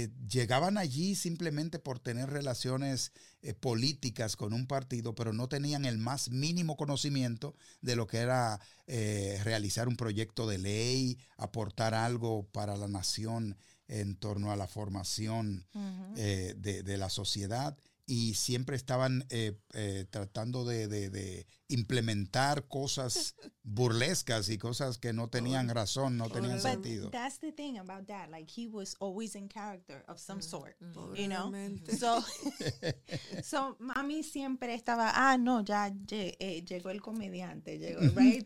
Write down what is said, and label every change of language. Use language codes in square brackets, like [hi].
[es] llegaban allí simplemente por tener relaciones políticas con un partido, pero no tenían el más mínimo conocimiento de lo que era realizar un proyecto de ley, aportar algo para la nación en torno a la formación de la sociedad, y siempre estaban tratando de implementar cosas burlescas y cosas que no tenían razón, no tenían sentido. [en] But that's the thing about that. Like, he was always in character of some sort, you know? [es] So, mami siempre estaba, llegó el comediante, llegó, [en] right?